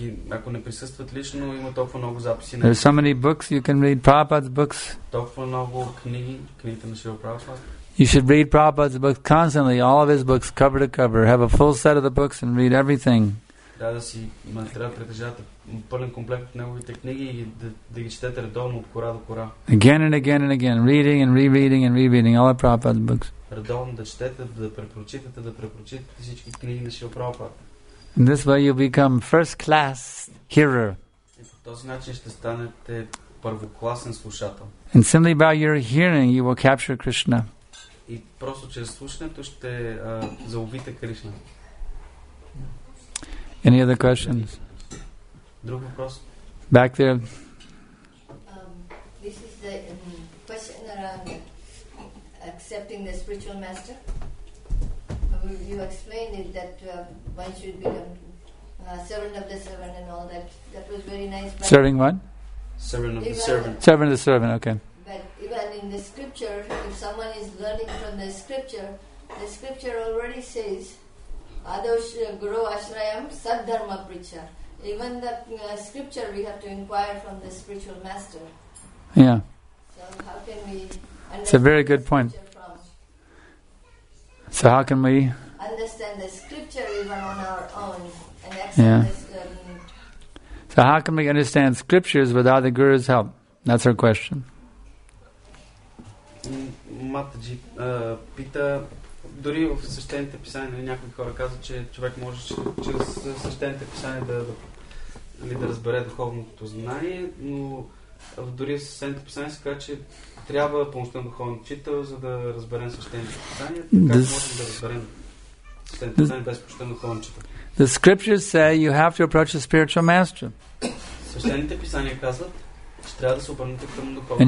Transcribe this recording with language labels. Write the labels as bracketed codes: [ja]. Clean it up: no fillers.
[bg] Ако не присъстват лично, има толкова много записи. [en] There are so many books you can read, Prabhupada's books. [bg] Толкова много книгите на Шрила Прабхупада. [en] You should read Prabhupada's books constantly, all of his books, cover to cover. Have a full set of the books and read everything. [bg] Трябва да си притежавате пълен комплект от неговите книги и да ги четете редовно от кора до кора. [en] Again and again and again, reading and rereading and rereading all of Prabhupada's books. [bg] Редовно да четете, да препрочитате всички книги на Шрила Прабхупада. [en] In this way you become first class hearer. [bg] По този начин ще станете първокласен слушател. [en] And simply by your hearing you will capture Krishna. [bg] И просто чрез слушането ще заловите Кришна. [en] Any other questions? [bg] Друг въпрос? [en] Back there. This is the question around accepting the spiritual master. You explained it that one should become servant of the servant and all that. That was very nice. But serving what? Servant of the servant. Servant of the servant, okay. But even in the scripture, if someone is learning from the scripture already says, [sa] Adosh Guru Ashrayam Sad Dharma Pricha. [en] Even the scripture, we have to inquire from the spiritual master. Yeah. So how can we understand? It's a very good point. So how can we understand the scripture even on our own and accept yeah. So how can we understand scriptures without the guru's help? That's her question. [bg] Матаджи пита, дори в свещените писания някои хора казват, че човек може чрез свещените писания да разбере духовното знание, но дори в свещените писания се казва, че трябва помощта на духовен учител, за да разберем свещените писания. Как можем да разберем свещените писания без помощта на духовен учител? [en] The scriptures say you have to approach a spiritual master. [bg] Свещените писания казват, че трябва да се обърнете към духовен.